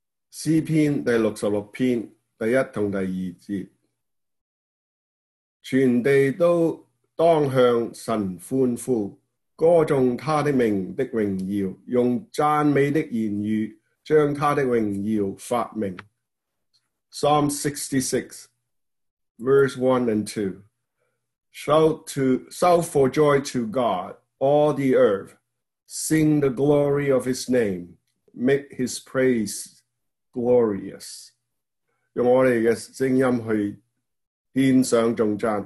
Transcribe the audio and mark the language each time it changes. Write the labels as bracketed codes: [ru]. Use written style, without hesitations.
[zh] 诗篇第六十六篇第一和第二节，全地都当向神欢呼，歌颂他的名的荣耀，用赞美的言语将他的荣耀发明。 [en] Psalm 66 verse 1 and 2 shout for joy to God, all the earth, sing the glory of his name, make his praiseglorious. [zh] 用我们的声音去献上颂赞。